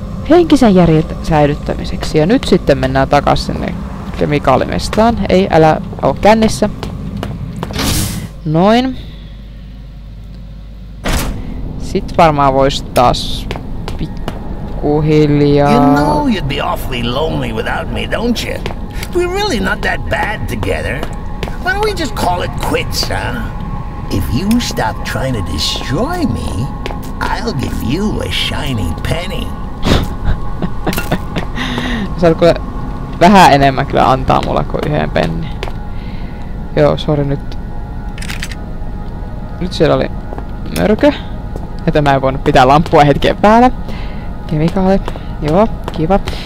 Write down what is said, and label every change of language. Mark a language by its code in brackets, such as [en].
[fi] Henkisen järjet säilyttämiseksi. Ja nyt sitten mennään takas sinne kemikaalimestaan. Ei, älä oo kännissä. Noin. Sit varmaan vois taas pikkuhiljaa. [en] You know you'd be awfully lonely without me, don't you? We're really not that bad together. Why don't we just call it quits, huh? If you stop trying to destroy me, I'll give you a shiny penny. [fi] Sä oot kyllä vähän enemmän kyllä antaa mulle kuin yhden penni. Joo, sori nyt. Nyt siellä oli mörkö. Että mä en voinut pitää lamppua hetken päällä. Kemikaali. Joo, kiva.